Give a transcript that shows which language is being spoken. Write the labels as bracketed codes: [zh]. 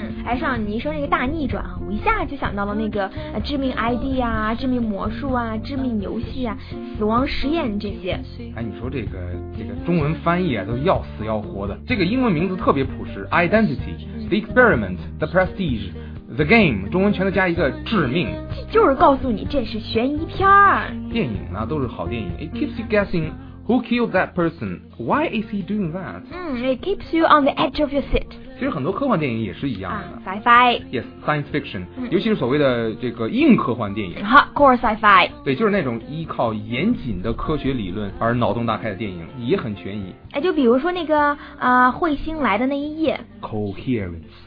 [zh] 哎，上你一说那个大逆转啊，我一下就想到了那个致命 ID 啊、致命魔术啊、致命游戏啊、死亡实验这些。哎，你说这个中文翻译啊，都要死要活的。这个英文名字特别朴实 ，Identity， The Experiment， The Prestige。 The Game， 中文全都加一个致命，就是告诉你这是悬疑片。电影呢都是好电影。 [en] It keeps you guessing who killed that person. Why is he doing that? It keeps you on the edge of your seat. [zh] 其实很多科幻电影也是一样的。 [en] Sci-fi. Yes, science fiction. [zh] 尤其是所谓的这个硬科幻电影。 [en] Hardcore sci-fi. [zh] 对，就是那种依靠严谨的科学理论而脑洞大开的电影，也很悬疑。哎，就比如说那个彗星来的那一夜。 [en] Coherence.